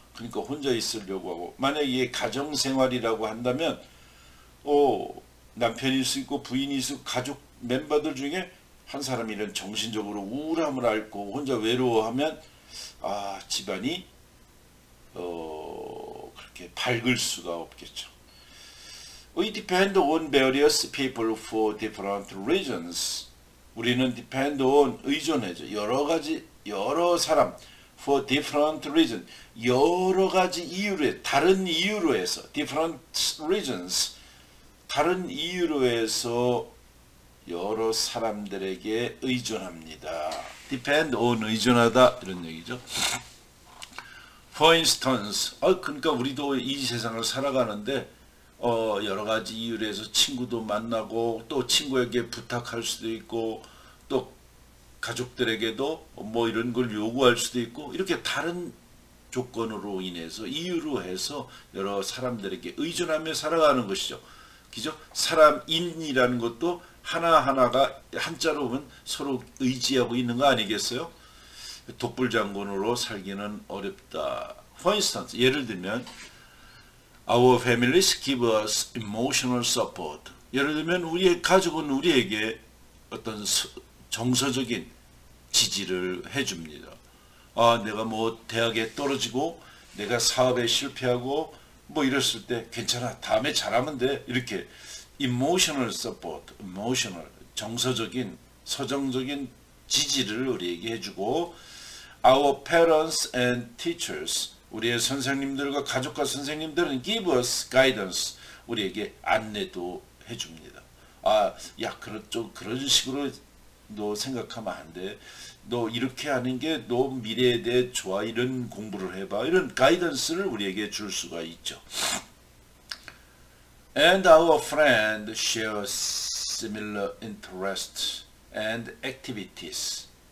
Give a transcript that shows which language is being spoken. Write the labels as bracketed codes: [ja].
[ko] 그러니까 혼자 있으려고 하고 만약에 이게 가정생활이라고 한다면 남편일 수 있고 부인일 수 있고 가족 멤버들 중에 한 사람이란 정신적으로 우울함을 앓고 혼자 외로워하면 집안이 그렇게 밝을 수가 없겠죠. [en] We depend on various people for different reasons. [ko] 우리는 [en] depend on, [ko] 의존해죠. 여러 가지, 여러 사람. [en] For different reasons. [ko] 여러 가지 이유로 해서, 다른 이유로 해서. [en] Different reasons. [ko] 다른 이유로 해서 여러 사람들에게 의존합니다. [en] Depend on, [ko] 의존하다. 이런 얘기죠. [en] For instance. [ko] 그러니까 우리도 이 세상을 살아가는데 여러 가지 이유로 해서 친구도 만나고 또 친구에게 부탁할 수도 있고 또 가족들에게도 뭐 이런 걸 요구할 수도 있고 이렇게 다른 조건으로 인해서 이유로 해서 여러 사람들에게 의존하며 살아가는 것이죠. 그죠? 사람 인이라는 것도 하나하나가 한자로 보면 서로 의지하고 있는 거 아니겠어요? 독불장군으로 살기는 어렵다. [en] For instance, [ko] 예를 들면 [en] Our families give us emotional support. [ko] 예를 들면 우리의 가족은 우리에게 어떤 정서적인 지지를 해줍니다. 아, 내가 뭐 대학에 떨어지고 내가 사업에 실패하고 뭐 이랬을 때 괜찮아 다음에 잘하면 돼 이렇게 [en] emotional support, emotional [ko] 정서적인 서정적인 지지를 우리에게 해주고 [en] Our parents and teachers [ko] 우리의 선생님들과 가족과 선생님들은 [en] give us guidance [ko] 우리에게 안내도 해줍니다. 아, 야, 그런 식으로 너 생각하면 안 돼. 너 이렇게 하는 게 너 미래에 대해 좋아. 이런 공부를 해봐. 이런 가이던스를 우리에게 줄 수가 있죠. [en] And our friend shares similar interests and activities.